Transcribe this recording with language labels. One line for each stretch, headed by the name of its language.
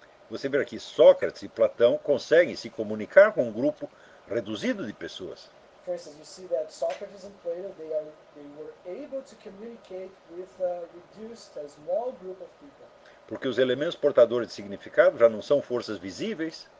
Portuguese: Você vê aqui Sócrates e Platão conseguem se comunicar com um grupo reduzido de pessoas.
English: For instance, you see that Socrates and Plato, they were able to communicate with a reduced, a small group of people.
Portuguese: Porque os elementos portadores de significado já não são forças visíveis.